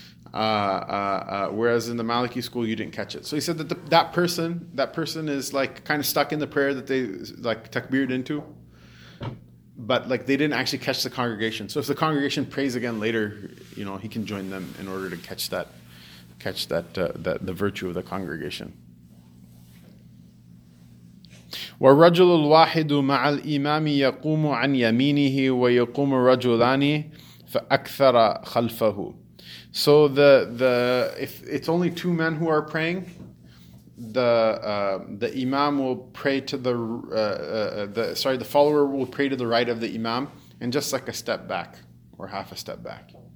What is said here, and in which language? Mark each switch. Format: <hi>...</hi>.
<en>Whereas in the Maliki school, you didn't catch it. So he said that that person is like kind of stuck in the prayer that they like takbir'd into, but like they didn't actually catch the congregation. So if the congregation prays again later, you know, he can join them in order to catch the virtue of the congregation.</en> <ar>والرجل الواحد مع الإمام يقوم عن يمينه ويقوم رجلان فأكثر خلفه.</ar> <en>So the if it's only two men who are praying, the imam will pray to the follower will pray to the right of the imam and just like a step back or half a step back.</en>